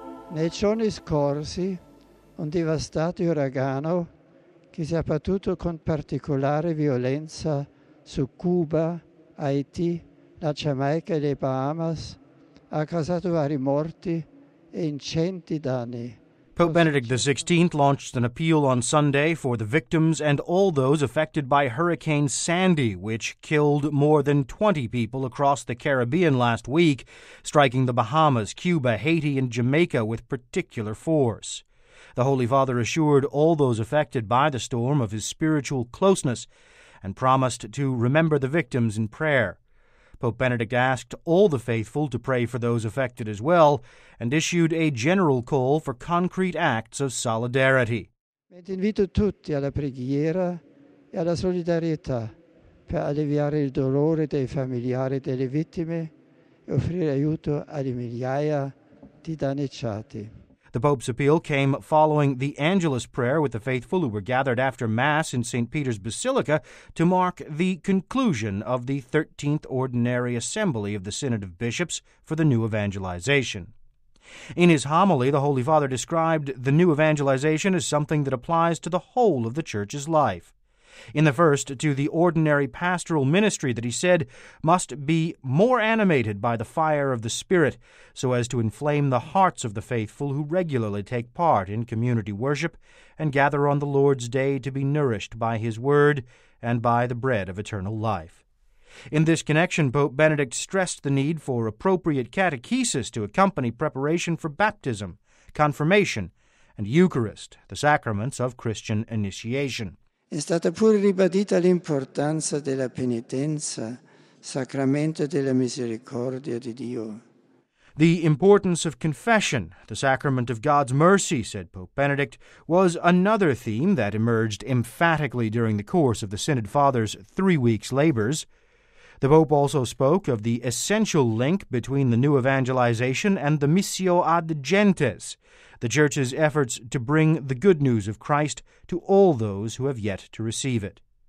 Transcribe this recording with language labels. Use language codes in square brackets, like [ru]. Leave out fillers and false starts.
[it] Nei giorni scorsi, un devastato uragano che si è abbattuto con particolare violenza su Cuba, Haiti, la Giamaica e le Bahamas ha causato vari morti e incenti danni. [en] Pope Benedict XVI launched an appeal on Sunday for the victims and all those affected by Hurricane Sandy, which killed more than 20 people across the Caribbean last week, striking the Bahamas, Cuba, Haiti, and Jamaica with particular force. The Holy Father assured all those affected by the storm of his spiritual closeness and promised to remember the victims in prayer. Pope Benedict asked all the faithful to pray for those affected as well and issued a general call for concrete acts of solidarity. [it] Invito tutti alla preghiera e alla solidarietà per alleviare il dolore dei familiari delle vittime e offrire aiuto alle migliaia di danneggiati. [en] The Pope's appeal came following the Angelus prayer with the faithful who were gathered after Mass in St. Peter's Basilica to mark the conclusion of the 13th Ordinary Assembly of the Synod of Bishops for the new evangelization. In his homily, the Holy Father described the new evangelization as something that applies to the whole of the Church's life. In the first, to the ordinary pastoral ministry that he said must be more animated by the fire of the Spirit so as to inflame the hearts of the faithful who regularly take part in community worship and gather on the Lord's Day to be nourished by His Word and by the bread of eternal life. In this connection, Pope Benedict stressed the need for appropriate catechesis to accompany preparation for baptism, confirmation, and Eucharist, the sacraments of Christian initiation. [it] È stata pure ribadita l'importanza della penitenza, sacramento della misericordia di Dio. [en] The importance of confession, the sacrament of God's mercy, said Pope Benedict, was another theme that emerged emphatically during the course of the Synod Father's 3 weeks' labors. The Pope also spoke of the essential link between the new evangelization and the Missio ad Gentes, the Church's efforts to bring the good news of Christ to all those who have yet to receive it.